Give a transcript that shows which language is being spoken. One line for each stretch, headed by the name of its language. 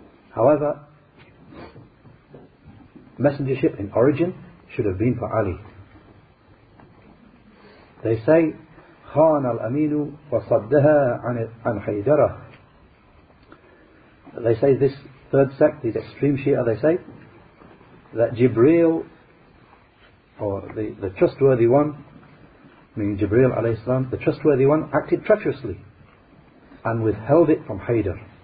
English: However, messengership in origin should have been for Ali. They say,
Arabic: خان الأمين وصدها عن حيدرة.
English: They say this third sect, these extreme Shia, they say that Jibreel, or the trustworthy one, meaning Jibreel alayhi salam, the trustworthy one, acted treacherously and withheld it from Haydar.